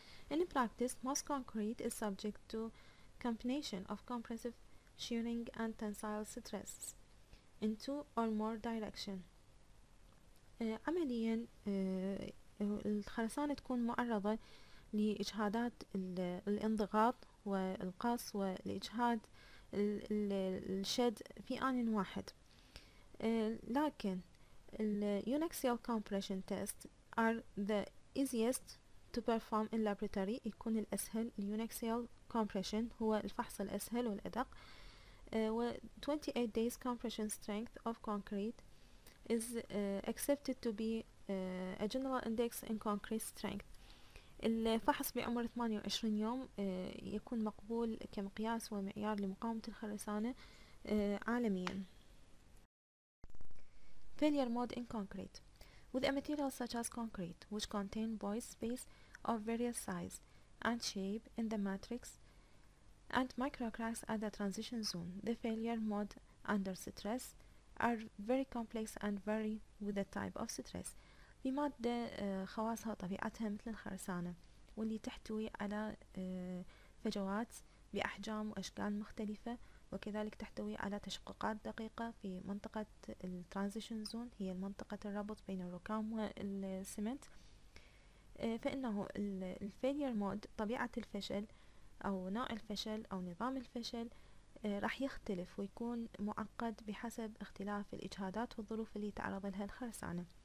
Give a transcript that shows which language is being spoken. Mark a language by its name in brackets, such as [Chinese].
[English] In practice, most concrete is subject to combination of compressive shearing and tensile stress in two or more direction. [Arabic] عمليا الخرسانة تكون معرضة لإجهادات الانضغاط والقص والإجهاد الشد في آن واحد، لكن الـ [English] unaxial compression tests are the easiest to perform in laboratory. [Arabic] يكون الأسهل الـ unaxial compression هو الفحص الأسهل والأدق. [English] و 28 days compression strength of concrete is accepted to be a general index in concrete strength. [Arabic] الفحص بعمر 28 يوم يكون مقبول كمقياس ومعيار لمقاومة الخرسانة عالميا. [English] Failure mode in concrete. With a material such as concrete, which contain void space of various size and shape in the matrix and micro cracks at the transition zone, the failure mode under stress are very complex and vary with the type of stress. [Arabic] في مادة خواصها وطبيعتها مثل الخرسانة واللي تحتوي على فجوات بأحجام وأشكال مختلفة، وكذلك تحتوي على تشققات دقيقة في منطقة الترانزيشن زون، هي منطقة الرابط بين الركام والسمنت، فإنه الفيلير مود طبيعة الفشل أو نوع الفشل أو نظام الفشل راح يختلف ويكون معقد بحسب اختلاف الإجهادات والظروف اللي تعرض لها الخرسانة.